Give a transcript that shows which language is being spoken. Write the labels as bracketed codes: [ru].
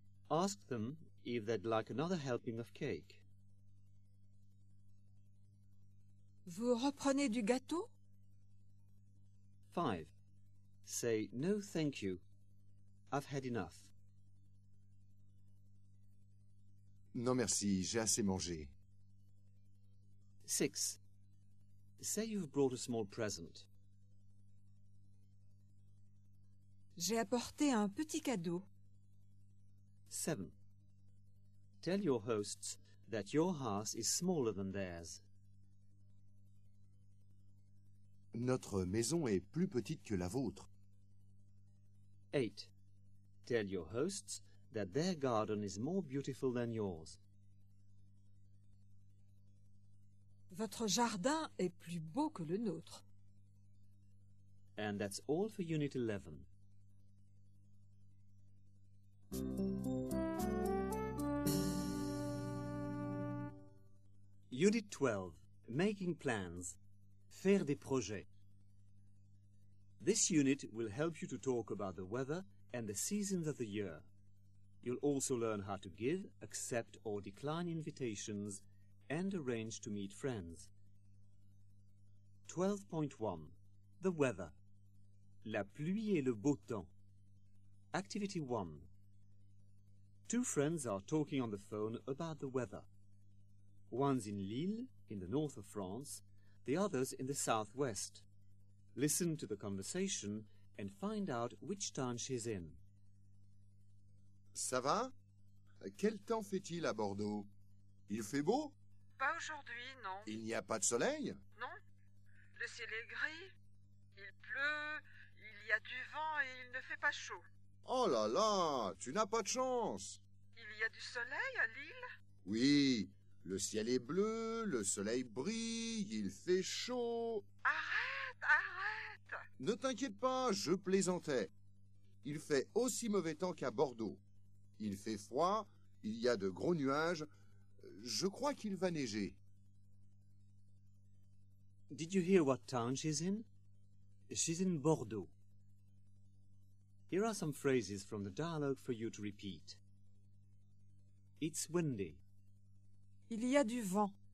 [en] Ask them if they'd like another helping of cake. [fr] Vous reprenez du gâteau? [en] 5. Say no thank you. I've had enough. [fr] Non, merci, j'ai assez mangé. [en] 6. Say you've brought a small present. [fr] J'ai apporté un petit cadeau. [en] 7. Tell your hosts that your house is smaller than theirs. [fr] Notre maison est plus petite que la vôtre. [en] 8. Tell your hosts that their garden is more beautiful than yours. [fr] Votre jardin est plus beau que le nôtre. [en] And that's all for Unit 11. Unit 12. Making plans. [fr] Faire des projets. [en] This unit will help you to talk about the weather and the seasons of the year. You'll also learn how to give, accept or decline invitations and arrange to meet friends. 12.1. The weather. [fr] La pluie et le beau temps. [en] Activity 1. Two friends are talking on the phone about the weather. One's in Lille, in the north of France, the other's in the southwest. Listen to the conversation and find out which town she's in. [fr] Ça va? Quel temps fait-il à Bordeaux? Il fait beau? Pas aujourd'hui, non. Il n'y a pas de soleil? Non. Le ciel est gris. Il pleut. Il y a du vent et il ne fait pas chaud. Oh là là, tu n'as pas de chance. Il y a du soleil à Lille? Oui. Le ciel est bleu, le soleil brille, il fait chaud. Arrête, arrête! Ne t'inquiète pas, je plaisantais. Il fait aussi mauvais temps qu'à Bordeaux. Il fait froid, il y a de gros nuages. Je crois qu'il va neiger. [en] Did you hear what town she's in? She's in Bordeaux. Here are some phrases from the dialogue for you to repeat. It's windy. [fr] Il y a du vent.